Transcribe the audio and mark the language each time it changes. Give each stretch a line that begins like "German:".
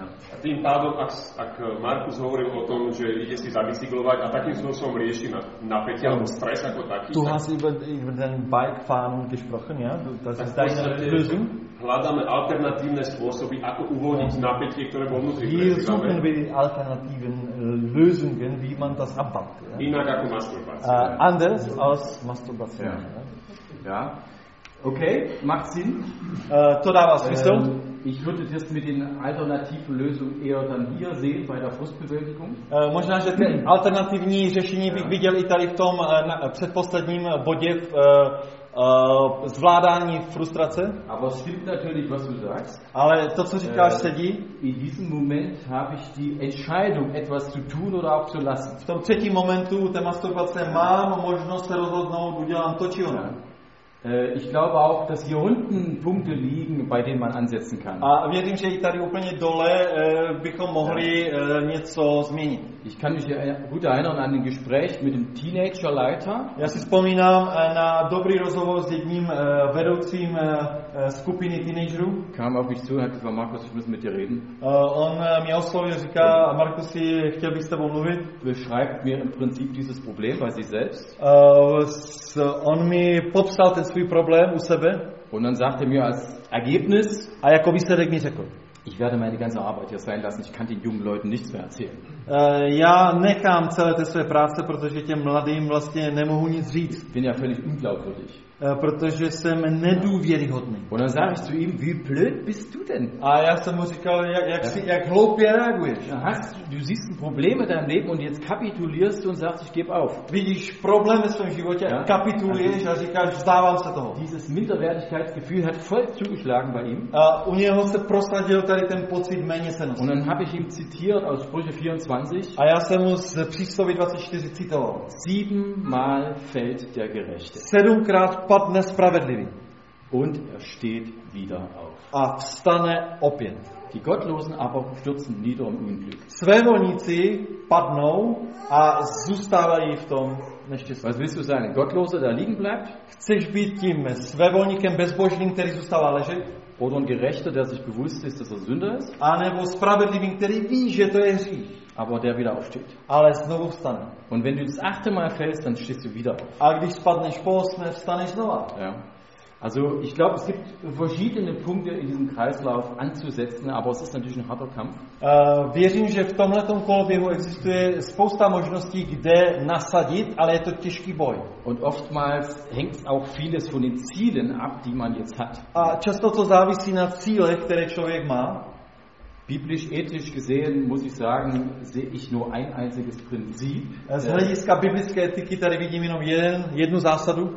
Slovak: A tým pádom, ak Markus hovoril o tom, že ide si zabicyklovať a takým spôsobom rieši napätie alebo stres ako taký.
German: Du hast über den Bikefahren gesprochen, ja? Das ist deine Lösung.
Slovak: Hľadáme alternatívne spôsoby, ako uvoľniť napätie, ktoré vo vnútri prežívame.
German: Hier suchen wir die alternativen Lösungen, wie man das abbaut.
Slovak: Inak ako masturbácia.
German: Anders als masturbácia. Ja. Okay, macht Sinn.
Czech: To dává smysl.
German: Ich würde das mit den alternativen Lösungen eher dann hier sehen bei der Frustbewältigung.
Czech: Možná, že ty alternativní řešení bych viděl i tady v tom předposledním bodě v zvládání frustrace.
German: Aber es stimmt natürlich, was du sagst.
Czech: Ale to, co říkáš, sedí.
German: In diesem Moment habe ich die Entscheidung, etwas zu tun oder auch zu lassen.
Czech: V tom třetím momentu té masturbace mám možnost se rozhodnout, udělám to, či ono.
German: Ich glaube auch, dass hier unten Punkte liegen, bei denen man ansetzen kann.
Czech: A věřím, že i tady úplně dole bychom mohli něco změnit.
German: Ich kann mich gut erinnern an ein Gespräch mit dem Teenagerleiter.
Czech: Já si vzpomínám na dobrý rozhovor s jedním vedoucím skupiny teenagerů.
German: Kam auf mich zu, hat gesagt, Markus, ich muss mit dir reden.
Czech: On mě oslovil, říká, Markusi, chtěl bych s tebou mluvit.
German: Beschreibt mir im Prinzip dieses Problem bei sich selbst.
Czech: On mi popsal ten svůj problém u sebe.
German: Und dann sagte mir als Ergebnis,
Czech: a jako výsledek mi řekl,
German: ich werde meine ganze Arbeit hier sein lassen, ich kann den jungen Leuten nichts mehr erzählen.
Czech: Já nechám celé ty své práce, protože těm mladým vlastně nemohu nic říct.
German: Bin ja völlig unglaubwürdig.
Czech: Protože jsem nedůvěryhodný.
German: Und dann sagte ich zu ihm, wie blöd bist du denn?
Czech: A já jsem mu říkal, jak hloupě reaguješ.
German: Du siehst ein Problem in deinem Leben und jetzt kapitulierst du und sagst, ich gebe auf.
Czech: Vidíš problém ve svém životě, kapituluješ a říkáš, vzdávám se toho.
German: Dieses Minderwertigkeitsgefühl hat voll zugeschlagen bei ihm.
Czech: U něho se prosadil tady ten pocit méněcennosti.
German: Und dann habe ich ihm zitiert aus Sprüche 24.
Czech: A já jsem mu z Přísloví 24 citoval.
German: Siebenmal fällt der Gerechte.
Czech: Sedmkrát padne spravedlivý.
German: Und er steht wieder auf.
Czech: A vstane opět.
German: Die Gottlosen aber stürzen nieder im Unglück.
Czech: Svévolníci padnou a zůstávají v tom neštěstí.
German: Was willst du sein? Gottlose, der liegen bleibt?
Czech: Chceš být tím svévolníkem bezbožným, který zůstává ležet?
German: Oder ein Gerechter, der sich bewusst ist, dass er Sünder ist?
Czech: A nebo spravedlivým, který ví, že to je hřích.
German: Aber der wieder aufsteht.
Czech: Ale znovu vstane.
German: Und wenn du das achte Mal fällst, dann stehst du wieder auf.
Czech: A když spadneš po osmé, vstaneš znova.
German: Ja. Also, ich glaube, es gibt verschiedene Punkte in diesem Kreislauf anzusetzen, aber es ist natürlich ein harter Kampf.
Czech: Věřím, že v tomhletom kolběhu existuje spousta možností, kde nasadit, ale je to těžký boj.
German: Und oftmals hängt auch vieles von den Zielen ab, die man jetzt hat.
Czech: A často to závisí na cíle, které člověk má.
German: Biblisch ethisch gesehen, muss ich sagen, sehe ich nur ein einziges Prinzip.
Czech: Z hlediska biblické etiky tady vidím jenom jednu zásadu,